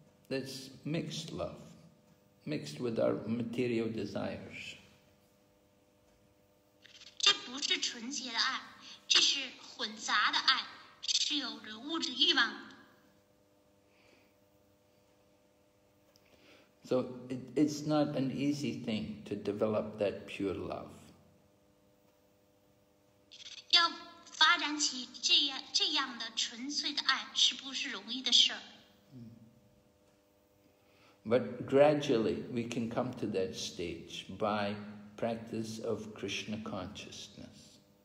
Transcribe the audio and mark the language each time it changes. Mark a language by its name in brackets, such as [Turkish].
[English] That's mixed love, mixed with our material desires. [Chinese] 这不是纯洁的爱，这是混杂的爱，是有着物质欲望。 [English] So it's not an easy thing to develop that pure love. [Chinese] 要发展起这样的纯粹的爱是不是容易的事儿。 [English] But gradually we can come to that stage by practice of Krishna consciousness.